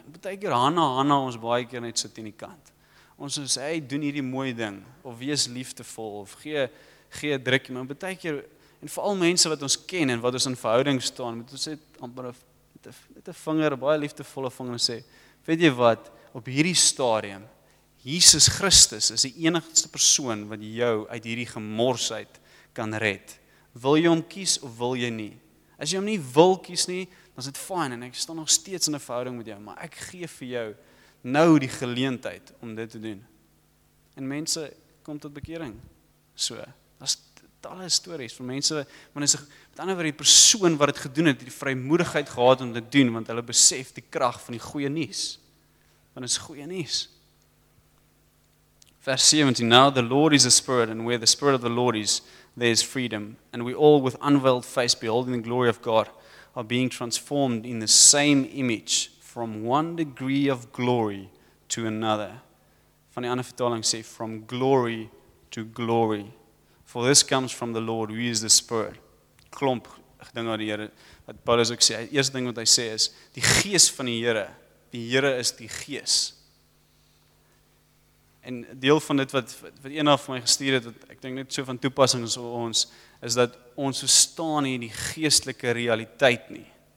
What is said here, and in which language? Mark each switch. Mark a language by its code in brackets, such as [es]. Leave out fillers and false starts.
[af] En partykeer, Hanna, ons baie keer net sit in die kant. Ons sê, hey, doen hierdie mooi ding, of wees liefdevol, of gee drukkie, maar partykeer, en veral mense wat ons ken, en wat ons in verhouding staan, moet ons net amper met 'n vinger, baie liefdevolle vinger, sê, weet jy wat, op hierdie stadium, Jesus Christus is die enigste persoon wat jou uit hierdie gemorsheid kan red. Wil jy hom kies of wil jy nie? As jy hom nie wil kies nie, dan is dit fyn en ek staan nog steeds in 'n verhouding met jou, maar ek gee vir jou nou die geleentheid om dit te doen. En mense kom tot bekering. So, as talle stories van mense, want is met ander woord die persoon wat het gedoen het, die vrymoedigheid gehad om dit doen, want hulle besef die krag van die goeie nuus. Want is goeie nuus. [en] Vers 17, now the Lord is the Spirit, and where the Spirit of the Lord is, there is freedom. And we all with unveiled face, beholding the glory of God, are being transformed in the same image, from one degree of glory to another. [af] Van die ander vertaling sê, [en] from glory to glory. For this comes from the Lord, who is the Spirit. [af] Klomp, ding aan die Here, wat Paulus ook sê, eerste ding wat hy sê is, die gees van die Here is die gees. En deel van dit wat eendag vir my gestuur het, wat ek denk net so van toepassing is op ons, is dat ons verstaan nie die geestelike realiteit nie.